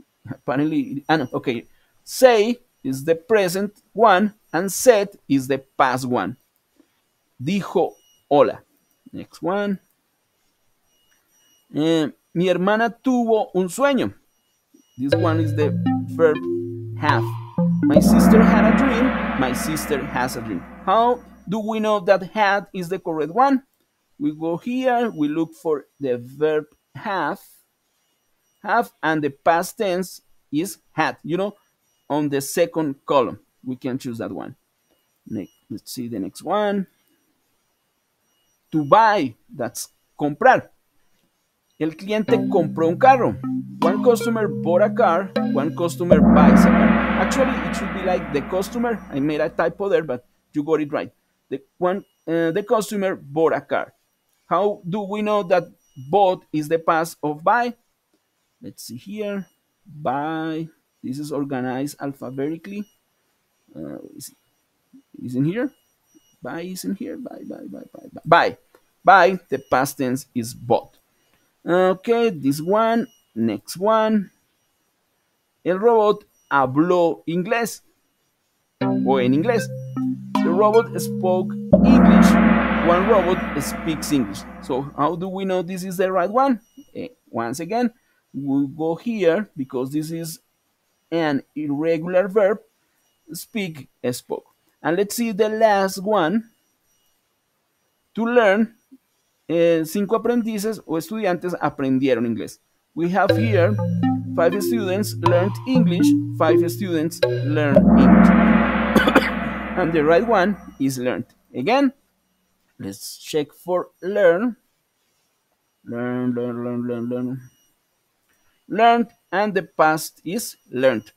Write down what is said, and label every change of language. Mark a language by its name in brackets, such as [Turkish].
[English] Apparently, okay. Say is the present one and said is the past one. [Spanish] Dijo hola. [English] Next one. [Spanish] Mi hermana tuvo un sueño. [English] This one is the verb have. My sister had a dream. My sister has a dream. How do we know that had is the correct one? We go here. We look for the verb have. have, and the past tense is had, you know, on the second column. We can choose that one. Let's see the next one. To buy, that's comprar. [Spanish] El cliente compró un carro. [English] One customer bought a car, one customer buys a car. Actually, it should be like the customer. I made a typo there, but you got it right. The customer bought a car. How do we know that bought is the past of buy? Let's see here. Buy. This is organized alphabetically. Is in here? Buy is in here. Buy. Buy. The past tense is bought. Okay, this one. Next one. [Spanish] El robot habló inglés. O en inglés. [English] The robot spoke English. One robot speaks English. So how do we know this is the right one? Once again, we'll go here because this is an irregular verb. Speak, spoke. And let's see the last one. To learn, [Spanish] cinco aprendices o estudiantes aprendieron inglés. [English] We have here five students learned English. Five students learned English. And the right one is learned. Again, let's check for learn. Learn. Learned, and the past is learned.